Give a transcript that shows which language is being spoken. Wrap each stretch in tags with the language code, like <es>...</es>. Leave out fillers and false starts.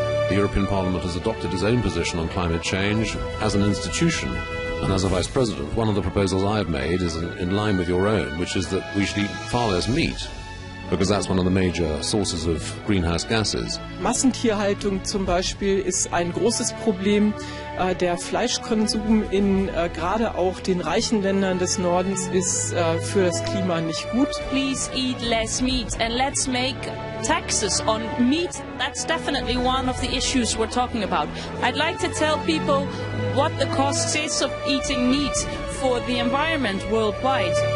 <en>The European Parliament has adopted its own position on climate change as an institution. And as a vice president, one of the proposals I've made is in line with your own, which is that we should eat far less meat, because that's one of the major sources of greenhouse gases.</en> <de>Massentierhaltung zum Beispiel ist ein großes Problem. Der Fleischkonsum in gerade auch den reichen Ländern des Nordens ist für das Klima nicht gut.</de> <en>Please eat less meat and let's make taxes on meat. That's definitely one of the issues we're talking about. I'd like to tell people what the cost is of eating meat for the environment worldwide.</en>